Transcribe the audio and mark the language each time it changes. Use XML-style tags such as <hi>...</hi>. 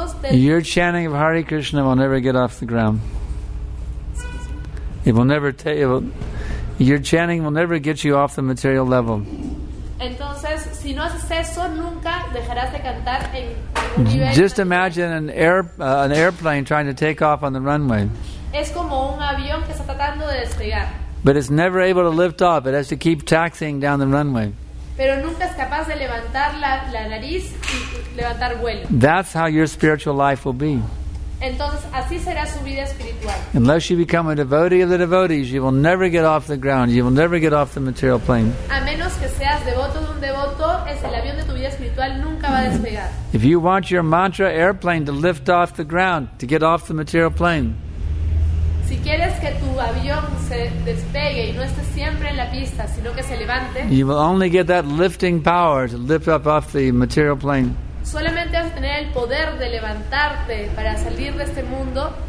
<en>Your chanting of Hare Krishna will never get off the ground. It will never take. Your chanting will never get you off the material level.</en> <es>Entonces, si no haces eso, nunca dejarás de cantar en</es> <en>Just imagine an airplane trying to take off on the runway.</en> <es>Es como un avión que está tratando de despegar.</es> <en>But it's never able to lift off. It has to keep taxiing down the runway.</en> <es>Pero nunca es capaz de levantar la nariz y levantar vuelo.</es> <en>That's how your spiritual life will be.</en> <es>Entonces, así será su vida espiritual.</es> <en>Unless you become a devotee of the devotees, you will never get off the ground. You will never get off the material plane.</en> <es>A menos que seas devoto de un devoto, es el avión de tu vida espiritual nunca va a despegar.</es> <en>If you want your mantra airplane to lift off the ground, to get off the material plane.</en> <es>Si quieres que tu avión se despegue y no esté siempre en la pista, sino que se levante,</es> <en>you will only get that lifting power to lift up off the material plane.</en> <es>Solamente vas a tener el poder de levantarte para salir de este mundo.</es>